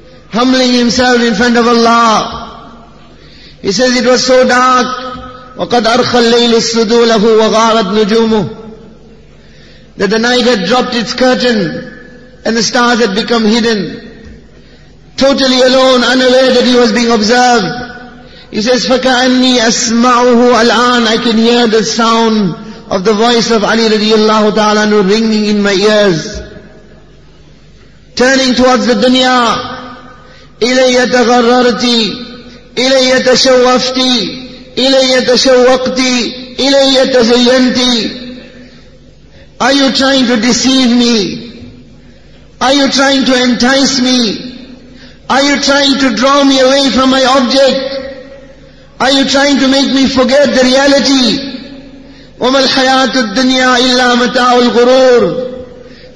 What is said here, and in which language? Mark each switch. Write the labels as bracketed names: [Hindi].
[English] Humbling himself in front of Allah. He says, it was so dark, [Arabic] وَقَدْ أَرْخَ اللَّيْلُ السُّدُولَهُ وَغَارَتْ نُجُومُهُ, [English] that the night had dropped its curtain and the stars had become hidden. Totally alone, unaware that he was being observed. He says, [Arabic] فَكَأَنِّي أَسْمَعُهُ الآن. [English] I can hear the sound of the voice of Ali radiallahu ta'ala anhu ringing in my ears. Turning towards the dunya, [Arabic] إِلَيَّ تَغَرَّرْتِ إِلَيَّ تَشَوَّفْتِ إِلَيَّ تَشَوَّقْتِ إِلَيَّ تَزَيَّنْتِ. [English] Are you trying to deceive me? Are you trying to entice me? Are you trying to draw me away from my object? Are you trying to make me forget the reality? [Arabic] وَمَا الْحَيَاةُ الدُّنْيَا إِلَّا مَتَاعُ الْغُرُورِ.